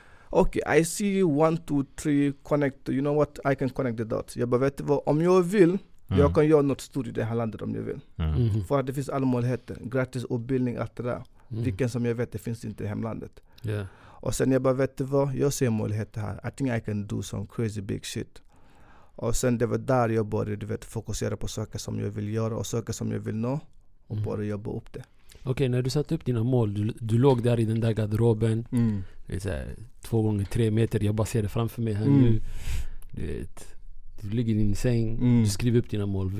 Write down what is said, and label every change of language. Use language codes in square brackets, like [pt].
[sv] Okej, [en] okay, I see 1, 2, 3, connect. You know what? I can connect the dots. [sv] Jag bara, vet du vad? Om jag vill, jag kan göra något stort i det här landet om jag vill. För att det finns alla möjligheter. Gratis utbildning, allt det där. Vilken som jag vet, det finns inte i hemlandet. [en] Yeah. [sv] Och sen jag bara, vet du vad? Jag ser möjligheter här. [en] I think I can do some crazy big shit. [sv] Och sen det var där jag började, du vet, fokusera på saker som jag vill göra och saker som jag vill nå. Och bara jobba upp det. Okej, när du satte upp dina mål, du låg där i den där garderoben. Det är så här, 2x3 meter, jag bara ser det framför mig här nu. Du vet, du ligger i din säng, du skriver upp dina mål.